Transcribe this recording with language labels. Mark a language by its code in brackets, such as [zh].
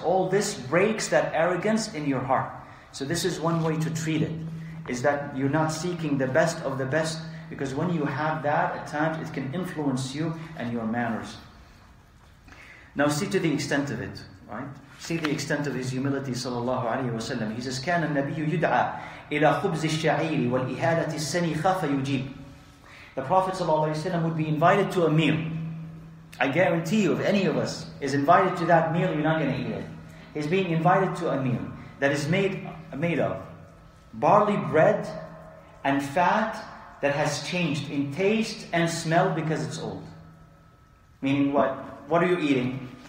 [en] All this breaks that arrogance in your heart. So this is one way to treat it, is that you're not seeking the best of the best, because when you have that, at times it can influence you and your manners. Now see to the extent of it, right? See the extent of his humility, sallallahu alayhi wa sallam. He says, [ar] كَانَ النَّبِيُّ يُدْعَى إِلَى خُبْزِ الشَّعِيرِ وَالْإِهَالَةِ السَّنِيخَ فَيُجِيبُ. [en] The Prophet ﷺ would be invited to a meal. I guarantee you, if any of us is invited to that meal, you're not going to eat it. He's being invited to a meal that is made of barley bread and fat that has changed in taste and smell because it's old. Meaning what? What are you eating?